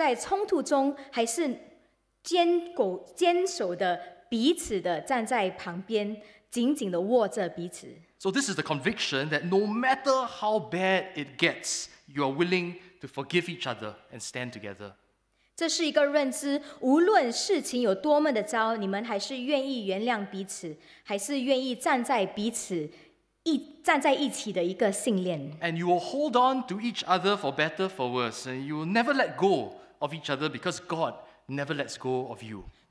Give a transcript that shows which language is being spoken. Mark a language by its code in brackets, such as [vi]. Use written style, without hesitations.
[zh] 一起站稳，就是在爱中的意思，就是在冲突中还是。坚守的彼此的站在旁边，紧紧的握着彼此。 [en] So this is the conviction that no matter how bad it gets, you are willing to forgive each other and stand together. [zh] 这是一个认知，无论事情有多么的糟，你们还是愿意原谅彼此，还是愿意站在彼此站在一起的一个信念。 [en] And you will hold on to each other for better, for worse, and you will never let go of each other because God never lets go of you.